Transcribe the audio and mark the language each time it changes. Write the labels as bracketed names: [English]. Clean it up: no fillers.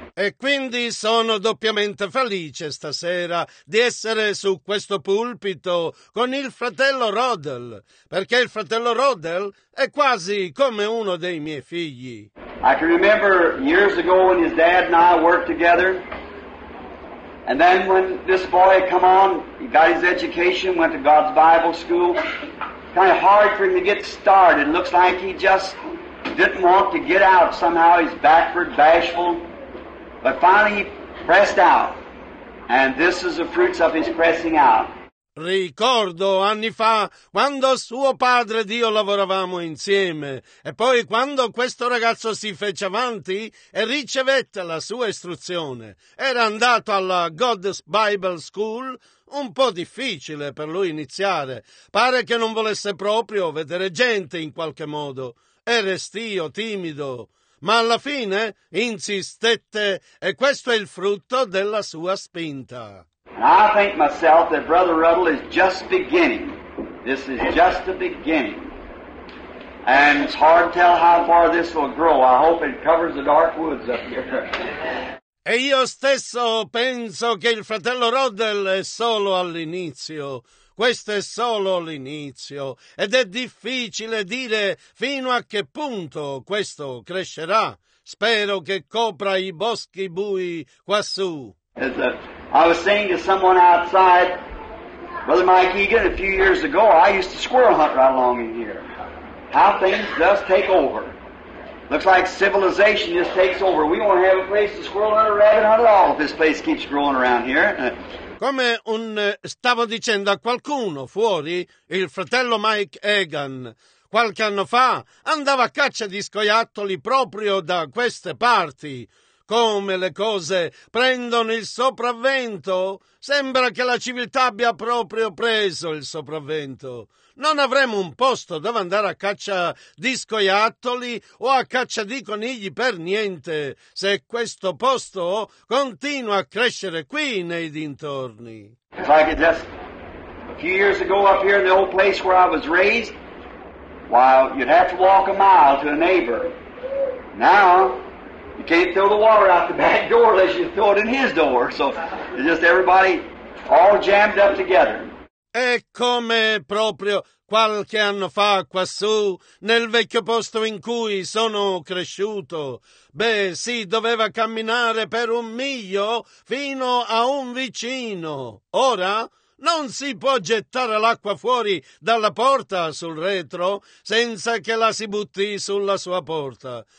[Italian] E quindi sono doppiamente felice stasera di essere su questo pulpito con il fratello Rodel, perché il fratello Rodel è quasi come uno dei miei figli. [English] I can remember years ago when his dad and I worked together, and then when this boy come on, he got his education, went to God's Bible school. Kind of hard for him to get started. Looks like he just didn't want to get out somehow. He's backward, bashful. But finally he pressed out. And this is the fruits of his pressing out. [Italian] Ricordo anni fa quando suo padre ed io lavoravamo insieme. E poi quando questo ragazzo si fece avanti e ricevette la sua istruzione. Era andato alla God's Bible School. Un po' difficile per lui iniziare. Pare che non volesse proprio vedere gente in qualche modo. E restio, timido. Ma alla fine insistette e questo è il frutto della sua spinta. [English] And I think myself that Brother Ruddle is just beginning. This is just the beginning. And it's hard to tell how far this will grow. I hope it covers the dark woods up here. [Italian] E io stesso penso che il fratello Rodel è solo all'inizio. Questo è solo l'inizio ed è difficile dire fino a che punto questo crescerà. Spero che copra i boschi bui quassù. [English] I was saying to someone outside, Brother Mike Egan, a few years ago, I used to squirrel hunt right along in here. How things does take over. Looks like civilization just takes over. We won't have a place to squirrel hunt or rabbit hunt at all if this place keeps growing around here. [Italian] Come stavo dicendo a qualcuno fuori, il fratello Mike Egan, qualche anno fa andava a caccia di scoiattoli proprio da queste parti. Come le cose prendono il sopravvento? Sembra che la civiltà abbia proprio preso il sopravvento. Non avremo un posto dove andare a caccia di scoiattoli o a caccia di conigli per niente se questo posto continua a crescere qui nei dintorni. [English] If I could just, a few years ago up here in the old place where I was raised, while you'd have to walk a mile to a neighbor. Now you can't throw the water out the back door unless you throw it in his door. So it's just everybody all jammed up together. [Italian] E come proprio qualche anno fa quassù, nel vecchio posto in cui sono cresciuto, beh, si doveva camminare per un miglio fino a un vicino. Ora non si può gettare l'acqua fuori dalla porta sul retro senza che la si butti sulla sua porta.